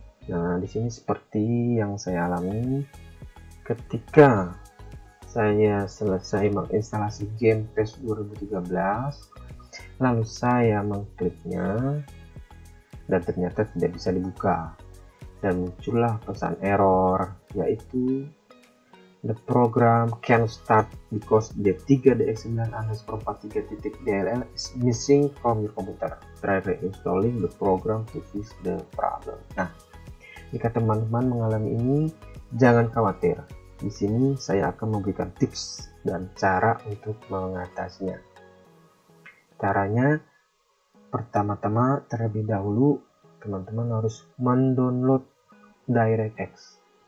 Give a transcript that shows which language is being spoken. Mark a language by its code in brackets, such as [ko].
[id] Nah, di sini seperti yang saya alami, ketika saya selesai menginstalasi game PES 2013, lalu saya mengkliknya dan ternyata tidak bisa dibuka. [en] Dan muncullah pesan error, yaitu the program can't start because D3DX9_43.dll is missing from your computer. Try reinstalling the program to fix the problem. [id] Nah, jika teman-teman mengalami ini, jangan khawatir. Di sini saya akan memberikan tips dan cara untuk mengatasinya. Caranya, pertama-tama terlebih dahulu teman-teman harus mendownload DirectX.